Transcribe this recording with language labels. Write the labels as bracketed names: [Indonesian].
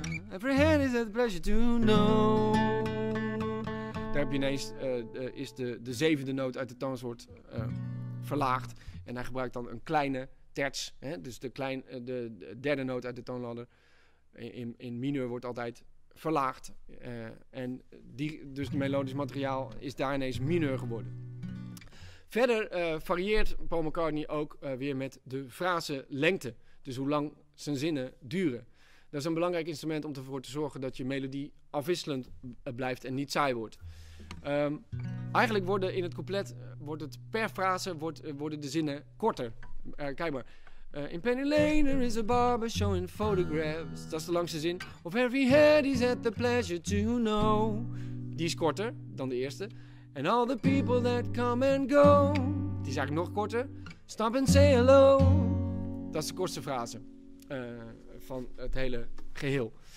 [English] Every hand is a pleasure to know. [Dutch] Daar heb je ineens is de zevende noot uit de toonsoort verlaagd. En hij gebruikt dan een kleine terts. Hè? Dus de derde noot uit de toonladder in mineur wordt altijd verlaagd. En dus het melodisch materiaal is daar ineens mineur geworden. Verder varieert Paul McCartney ook weer met de frasenlengte. Dus hoe lang zijn zinnen duren. Dat is een belangrijk instrument om ervoor te zorgen dat je melodie afwisselend blijft en niet saai wordt. Eigenlijk worden in het couplet wordt het per frase worden de zinnen korter. Kijk maar. [English] In Penny Lane there is a barber showing photographs. [Dutch] Dat is de langste zin. [English] Of every head is at the pleasure to know. [Dutch] Die is korter dan de eerste. [English] And all the people that come and go. [Dutch] Die is eigenlijk nog korter. [English] Stop and say hello. [Dutch] Dat is de kortste frase van het hele geheel.